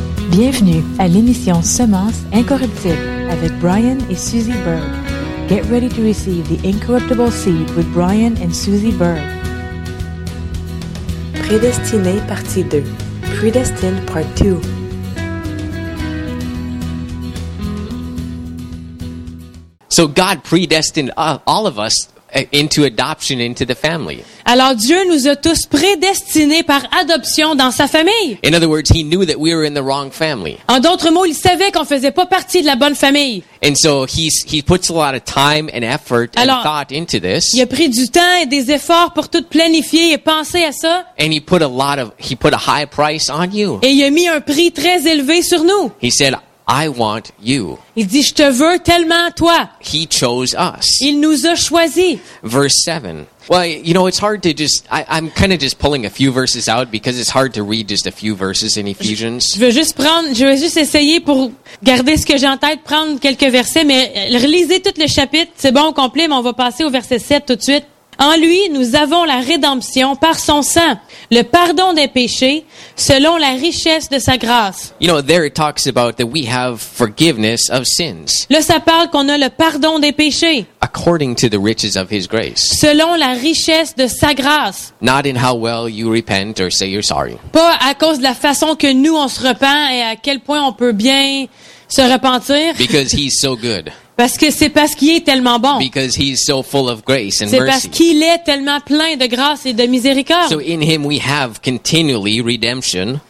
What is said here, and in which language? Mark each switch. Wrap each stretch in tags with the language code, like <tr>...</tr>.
<fr>Bienvenue à l'émission Semence incorruptible avec Brian et Suzy Berg.</fr> <en>Get ready to receive the incorruptible seed with Brian and Suzy Berg.</en> <fr>Prédestiné partie 2.</fr> <en>Predestined part 2. So God predestined all of us into adoption into the family.</en> <fr>Alors Dieu nous a tous prédestinés par adoption dans sa famille.</fr> <en>In other words, he knew that we were in the wrong family.</en> <fr>En d'autres mots, il savait qu'on faisait pas partie de la bonne famille.</fr> <en>And so he puts a lot of time and effort</en> <fr>Alors,</fr> <en>and thought into this.</en> <fr>Il a pris du temps et des efforts pour tout planifier et penser à ça.</fr> <en>And he put a high price on you.</en> <fr>Et il a mis un prix très élevé sur nous.</fr> <en>He said, I want you.</en> <fr>Il dit, je te veux tellement toi.</fr> <en>He chose us.</en> <fr>Il nous a choisi.</fr> <en>Verse 7. Well, you know, it's hard to just, I'm kind of just pulling a few verses out because it's hard to read just a few verses in Ephesians.</en> <fr>Je vais juste essayer pour garder ce que j'ai en tête, prendre quelques versets, mais relisez tout le chapitre. C'est bon au complet, mais on va passer au verset 7 tout de suite. En lui, nous avons la rédemption par son sang, le pardon des péchés, selon la richesse de sa grâce.</fr> <en>You know, there it talks about that we have forgiveness of sins.</en> <fr>Là, ça parle qu'on a le pardon des péchés.</fr> <en>According to the riches of his grace.</en> <fr>Selon la richesse de sa grâce.</fr> <en>Not in how well you repent or say you're sorry.</en> <fr>Pas à cause de la façon que nous on se repent et à quel point on peut bien se repentir.</fr> <en>Because he's so good.</en> <fr>Parce que c'est parce qu'il est tellement bon.</fr> <en>Because he's so full of grace and</en> <fr>c'est</fr> <en>mercy.</en> <fr>Parce qu'il est tellement plein de grâce et de miséricorde.</fr> <en>So in him we have continually redemption.</en>